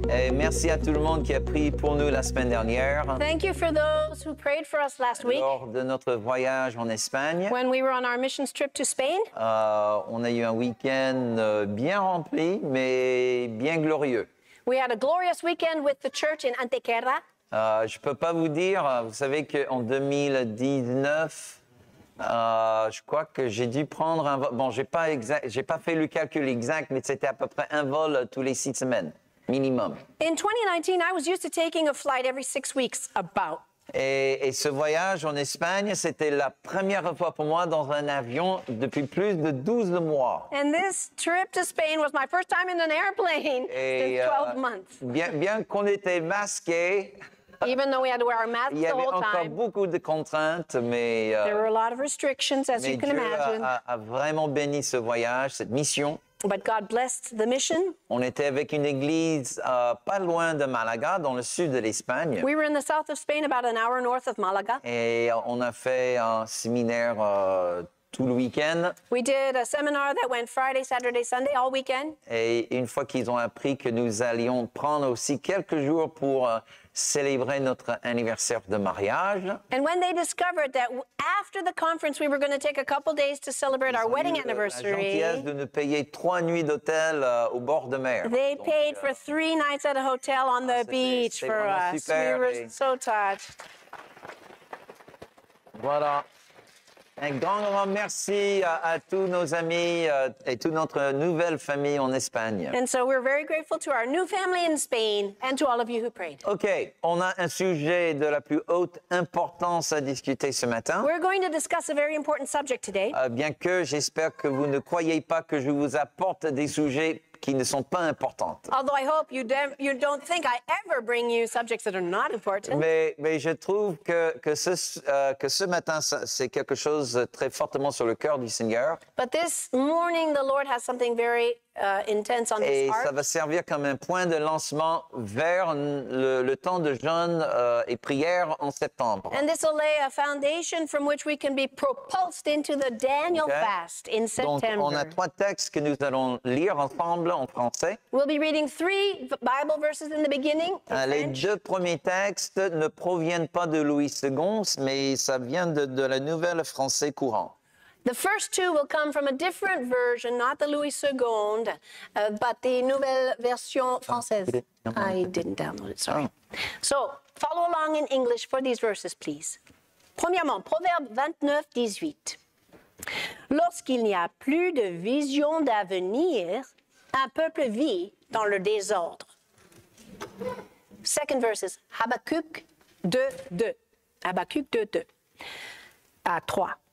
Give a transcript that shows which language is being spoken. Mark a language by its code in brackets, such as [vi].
[fr] Et merci à tout le monde qui a prié pour nous la semaine dernière. [en] Thank you for those who prayed for us last week. [fr] Lors de notre voyage en Espagne. [en] When we were on our missions trip to Spain. [fr] On a eu un week-end bien rempli, mais bien glorieux. [en] We had a glorious weekend with the church in Antequera. [fr] Je peux pas vous dire, vous savez qu'en 2019, je crois que j'ai dû prendre un vol. Bon, j'ai pas fait le calcul exact, mais c'était à peu près un vol tous les six semaines, minimum. [en] In 2019, I was used to taking a flight every 6 weeks, about. [fr] Et ce voyage en Espagne, c'était la première fois pour moi dans un avion depuis plus de 12 mois. [en] And this trip to Spain was my first time in an airplane in 12 months. [fr] Bien qu'on était masqué. [en] Even though we had to wear our masks the whole time. [fr] Il y avait encore beaucoup de contraintes, mais [en] there were a lot of restrictions, as you can [fr] Dieu [en] imagine. [fr] A vraiment béni ce voyage, cette mission. [en] But God blessed the mission. [fr] On était avec une église pas loin de Malaga, dans le sud de l'Espagne. [en] We were in the south of Spain, about an hour north of Malaga. [fr] Et on a fait un séminaire tout le week-end. [en] We did a seminar that went Friday, Saturday, Sunday, all weekend. [fr] Et une fois qu'ils ont appris que nous allions prendre aussi quelques jours pour célébrer notre anniversaire de mariage. [en] And when they discovered that after the conference we were going to take a couple days to celebrate our wedding anniversary. [fr] La gentillesse de nous payer trois nuits d'hôtel au bord de mer. [en] They [fr] Donc, [en] paid for three nights at a hotel on the beach for us. [fr] Super, [en] we were so touched. [fr] Voilà. Un grand merci à tous nos amis et toute notre nouvelle famille en Espagne. [en] And so we're very grateful to our new family in Spain and to all of you who prayed. [fr] OK, on a un sujet de la plus haute importance à discuter ce matin. [en] We're going to discuss a very important subject today. [fr] Bien que j'espère que vous ne croyez pas que je vous apporte des sujets qui ne sont pas importantes. [en] Although I hope you don't think I ever bring you subjects that are not important. [fr] Mais je trouve que ce matin, c'est quelque chose très fortement sur le cœur du Seigneur. [en] But this morning, the Lord has something very intense on [fr] Et [en] his heart. [fr] Et ça va servir comme un point de lancement vers le temps de jeûne et prière en septembre. [en] And this will lay a foundation from which we can be propulsed into the Daniel okay. fast in September. [fr] Donc, on a trois textes que nous allons lire ensemble en français. [en] We'll be reading three Bible verses in the beginning. [fr] Les deux premiers textes ne proviennent pas de Louis II, mais ça vient de la nouvelle français courant. [en] The first two will come from a different version, not the Louis II, but the Nouvelle Version Française. I didn't download it, sorry. So, follow along in English for these verses, please. [fr] Premièrement, Proverbe 29, 18. Lorsqu'il n'y a plus de vision d'avenir, un peuple vit dans le désordre. [en] Second verse is Habakkuk 2, 2. Habakkuk 2, 2. [fr] À 3.